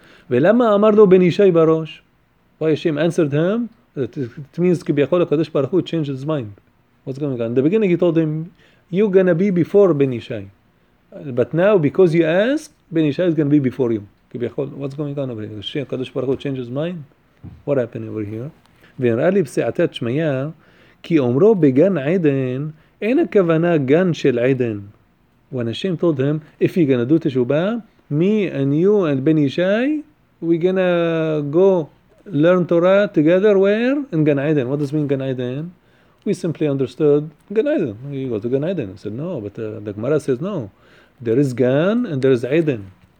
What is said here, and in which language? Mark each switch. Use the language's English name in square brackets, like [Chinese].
[Hebrew] ולמה אמר לו בן ישי בראש? [English] Why Hashem answered him? It means כביכול הקדוש ברוך הוא changed his mind. What's going on? In the beginning he told him, you're going to be before בן ישי. But now because you ask, בן ישי is going to be before you. כביכול, what's going on over here? הקדוש ברוך הוא changed his mind? What happened over here? [Hebrew] ונראה לי בסיעתת שמיה, כי אומרו בגן עדן, אין הכוונה גן של עדן. [English] When Hashem told him, if you're going to do תשובה, me and you and Ben Yishai, we're going to go learn Torah together. Where? In Gan Eden. What does mean Gan Eden? We simply understood Gan Eden. You go to Gan Eden. I said, no, but the Gemara says, no. There is Gan and there is Eden.